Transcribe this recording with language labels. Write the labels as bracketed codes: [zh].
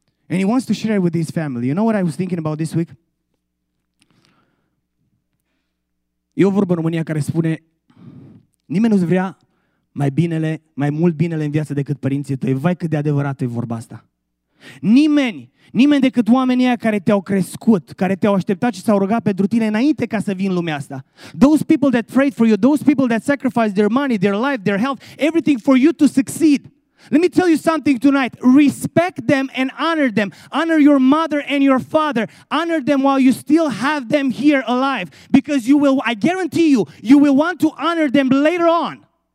[en] And he wants to share it with his family. You know what I was thinking about this week? [ro] E o vorbă în România care spune nimeni nu-ți vrea mai binele, mai mult binele în viață decât părinții tăi. Vai cât de adevărată e vorba asta. Nimeni decât oamenii aia care te-au crescut, care te-au așteptat și s-au rugat pentru tine înainte ca să vii în lumea asta. [en] Those people that prayed for you, those people that sacrificed their money, their life, their health, everything for you to succeed. Let me tell you something tonight. Respect them and honor them. Honor your mother and your father. Honor them while you still have them here alive. Because you will, I guarantee you, you will want to honor them later on.